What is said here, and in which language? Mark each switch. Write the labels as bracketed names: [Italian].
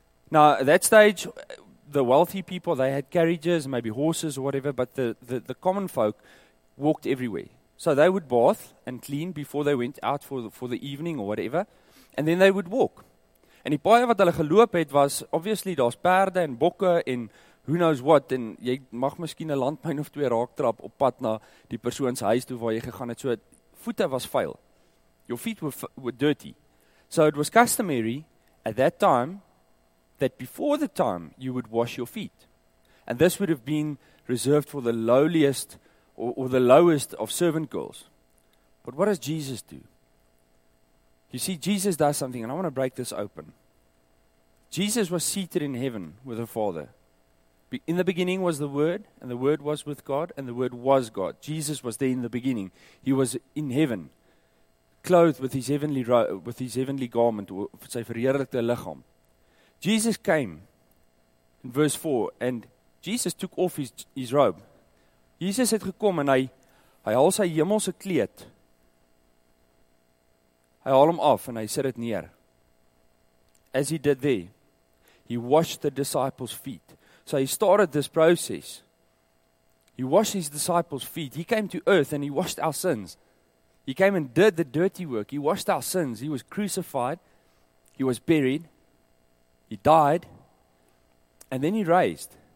[English] Now, at that stage, the wealthy people, they had carriages, maybe horses or whatever, but the common folk walked everywhere. So they would bath and clean before they went out for the evening or whatever, and then they would walk. And [Afrikaans] die paaie wat hulle geloop het was, obviously, daar's perde en bokke en [English] who knows what, [Afrikaans] en jy mag miskien 'n landmyn of twee raaktrap op pad na die persoon se huis toe waar jy gegaan het, so voete was vuil. [English] Your feet were dirty. So it was customary at that time that before the time you would wash your feet. And this would have been reserved for the lowliest or the lowest of servant girls. But what does Jesus do? You see, Jesus does something, and I want to break this open. Jesus was seated in heaven with the Father. In the beginning was the Word, and the Word was with God, and the Word was God. Jesus was there in the beginning. He was in heaven, clothed with his heavenly garment, or [Afrikaans] sy verheerlikte lichaam. [English] Jesus came, in verse 4, and Jesus took off his robe. [Afrikaans] Jesus het gekom, en hy haal sy hemelse kleed. Hy haal hom af, en hy sit het neer. [English] As he did there, he washed the disciples' feet. So he started this process. He washed his disciples' feet. He came to earth and he washed our sins. He came and did the dirty work. He washed our sins. He was crucified. He was buried. He died. And then he raised.